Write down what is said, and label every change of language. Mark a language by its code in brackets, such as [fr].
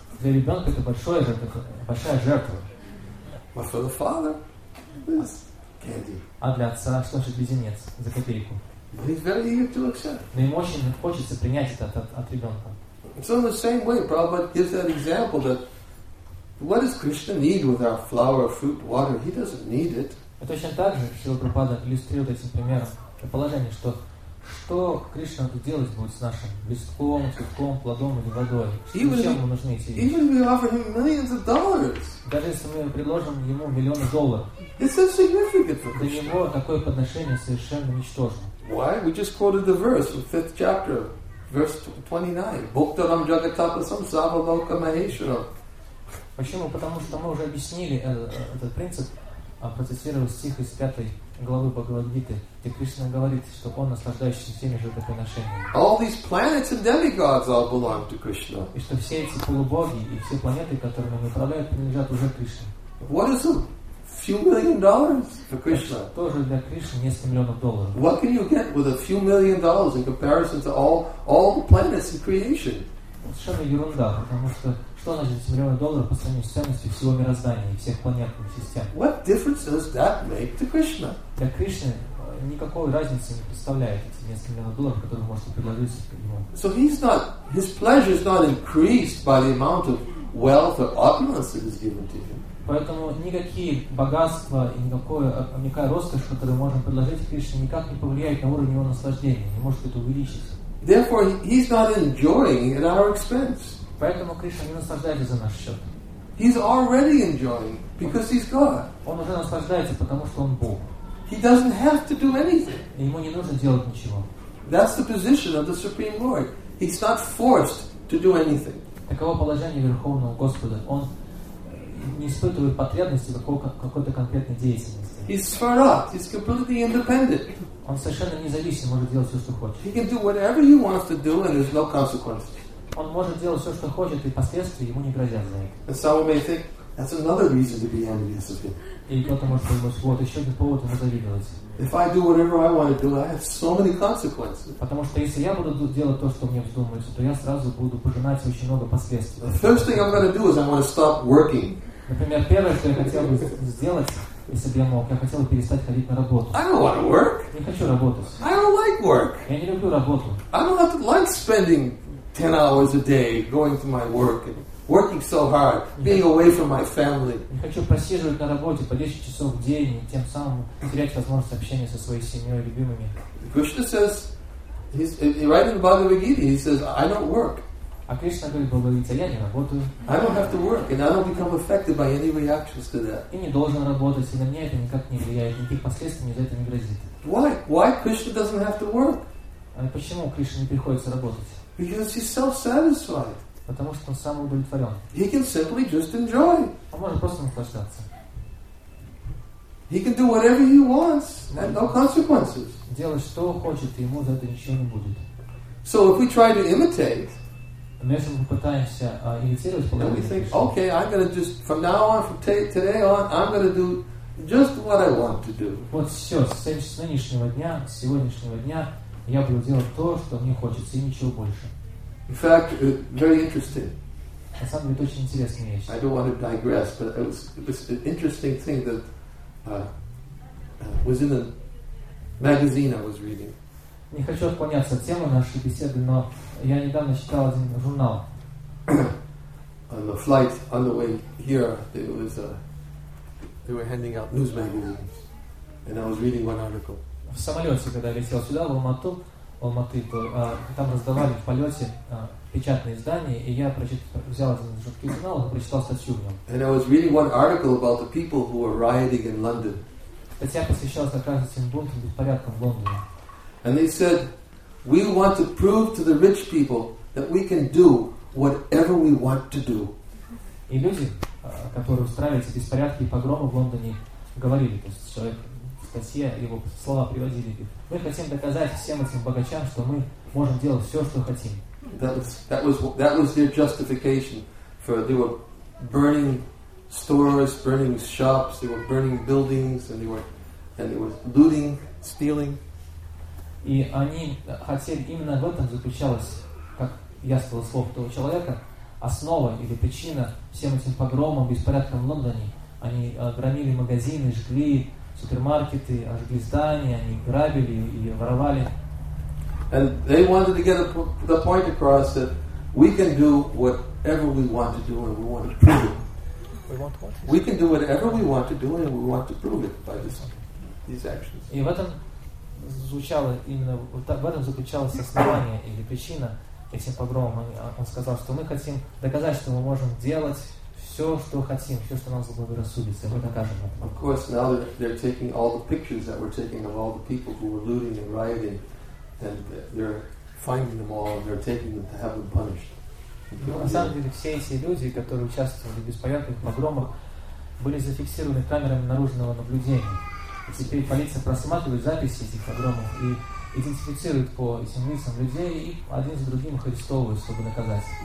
[ru] Для ребенка это большая жертва. [en] But for the father, it's candy. [ru] А для отца, что же, леденец за копейку. [en] But he's very eager to accept. [ru] Но ему очень хочется принять это от ребенка. [en] So in the same way, Prabhupada gives that example that what does Krishna need with our flower, fruit, water? He doesn't need it. [ru] И точно так же Шрила Прабхупада иллюстрирует этим примером положение, что Кришна тут делать будет с нашим листком, цветком, плодом или водой? Зачем ему нужны эти вещи? [en] Even if we offer him millions of dollars. [ru] Даже если мы предложим ему миллионы долларов. [en] It's insignificant for Krishna. [ru] Для него такое подношение совершенно ничтожно. [en] Why? We just quoted the verse from the fifth chapter. Verse 29. [sa] Bhuktaram jagatapasam savaloka maheshwaram. [ru] Почему? Потому что мы уже объяснили этот принцип, процитировав стих из 5 главы Бхагавад-гиты, где Кришна говорит, что он наслаждающийся всеми жертвоприношениями. [en] All these planets and demigods all belong to Krishna. [ru] И что все эти полубоги и все планеты, которыми он управляет, принадлежат уже Кришне. [en] What is a few million dollars for Krishna? [ru] Тоже для Кришны несколько миллионов долларов. [en] What can you get with a few million dollars in comparison to all the planets in creation? [ru] Совершенно ерунда, потому что что значит миллионы долларов по сравнению с ценностью всего мироздания и всех планетных систем? [en] What difference does that make to Krishna? [ru] Для Кришны никакой разницы не представляет эти несколько миллионов долларов, которые можно предложить ему. [en] So his pleasure is not increased by the amount of wealth or opulence that is given to him. [ru] Поэтому никакие богатства и никакая роскошь, которую можно предложить Кришне, никак не повлияет на уровень его наслаждения, не может это увеличить. [en] Therefore, he's not enjoying at our expense. [ru] Поэтому Кришна не наслаждается за наш счет. [en] He's already enjoying because he's God. [ru] Он уже наслаждается, потому что он Бог. [en] He doesn't have to do anything. [ru] И ему не нужно делать ничего. [en] That's the position of the Supreme Lord. He's not forced to do anything. [ru] Таково положение Верховного Господа. Он не испытывает потребности какой-то конкретной деятельности. [en] He's svarat. He's completely independent. [ru] Он совершенно независим, может делать все, что хочет. [en] He can do whatever he wants to do, and there's no consequences. [ru] Он может делать все, что хочет, и последствия ему не грозят за это. [en] And some may think that's another reason to be envious of him. [ru] И кто-то может подумать, вот еще один повод ему завидовать. [en] If I do whatever I want to do, I have so many consequences. [ru] Потому что если я буду делать то, что мне вздумается, то я сразу буду пожинать очень много последствий. [en] The first thing I'm going to do is I'm going to stop working. [ru] Например, первое, что я хотел бы сделать, если бы я мог, я хотел бы перестать ходить на работу. [en] I don't want to work. [ru] Не хочу работать. [en] I don't like work. [ru] Я не люблю работу. [en] I don't have to like spending 10 hours a day going to my work and working so hard, being away from my family. [ru] Не хочу просиживать на работе по 10 часов в день и тем самым терять возможность общения со своей семьей, любимыми. [en] Krishna says, right in the Bhagavad Gita, he says, I don't work. [ru] А Кришна говорит, Бхагавад-гита, я не работаю. [en] I don't have to work and I don't become affected by any reactions to that. [ru] И не должен работать, и на меня это никак не влияет, никаких последствий мне за это не грозит. [en] Why? Why Krishna doesn't have to work? [ru] А почему Кришна не приходится работать? [en] Because he's self-satisfied. [ru] Потому что он сам удовлетворен. [en] He can simply just enjoy. [ru] Он может просто наслаждаться. [en] He can do whatever he wants and no consequences. [ru] Делать что хочет, и ему за это ничего не будет. [en] So if we try to imitate, [ru] но если мы попытаемся имитировать, [en] then we think, okay, I'm going to just, from now on, from today on, I'm going to do just what I want to do. [ru] Вот все, с сегодняшнего дня, я буду делать то, что мне хочется, и ничего больше. [en] In fact, very interesting. [ru] На самом деле, это очень интересная вещь. [en] I don't want to digress, but it was an interesting thing that was in a magazine I was reading. [ru] Не хочу отклоняться от темы нашей беседы, но я недавно читал один журнал. [en] On the flight on the way here, they were handing out news magazines, and I was reading one article. [ru] В самолете, когда я летел сюда, в Алмату, там раздавали в полете печатные издания, и я взял один жуткий журнал и прочитал статью в нем. [en] And I was reading one article about the people who were rioting in London. [ru] Статья посвящалась как раз этим бунтам, беспорядкам в Лондоне. [en] And they said, we want to prove to the rich people that we can do whatever we want to do. [ru] И люди, которые устраивали эти беспорядки и погромы в Лондоне, говорили, то есть человек... Статья, его слова приводили. Мы хотим доказать всем этим богачам, что мы можем делать все, что хотим. [en] That was their justification for they were burning stores, burning shops, they were burning buildings, and they were looting, stealing. [ru] И они хотели, именно в этом заключалась, как я сказал слов того человека, основа или причина всем этим погромам, беспорядкам в Лондоне. Они громили магазины, жгли супермаркеты, ожгли здания, они грабили и воровали. [en] And they wanted to get the point across that we can do whatever we want to do and we want to prove it. We can do whatever we want to do and we want to prove it by these actions. [ru] И в этом звучало именно в этом заключалось основание или причина этим погромам. Он сказал, что мы хотим доказать, что мы можем делать все, что хотим, все, что нам заблагорассудится, мы докажем это. [en] Of course, now they're taking all the pictures that were taken of all the people who were looting and rioting, and they're finding them all, and they're taking them to have them punished. [ru] На самом деле, все эти люди, которые участвовали в беспорядках, погромах, были зафиксированы камерами наружного наблюдения. И теперь полиция просматривает записи этих погромов и идентифицирует по этим лицам людей и один за другим их арестовывают, чтобы доказать.